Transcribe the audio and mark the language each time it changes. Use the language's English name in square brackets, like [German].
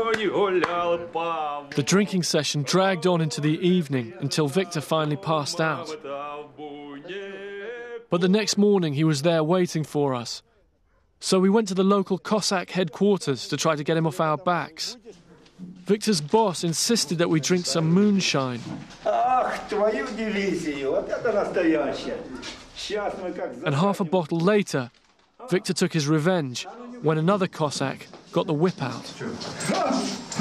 [English] The drinking session dragged on into the evening until Viktor finally passed out. But the next morning he was there waiting for us. So we went to the local Cossack headquarters to try to get him off our backs. Viktor's boss insisted that we drink some moonshine. [Russian] Ах, твою дивизию, вот это настоящее. Сейчас мы как. [English] And half a bottle later, Viktor took his revenge when another Cossack got the whip out.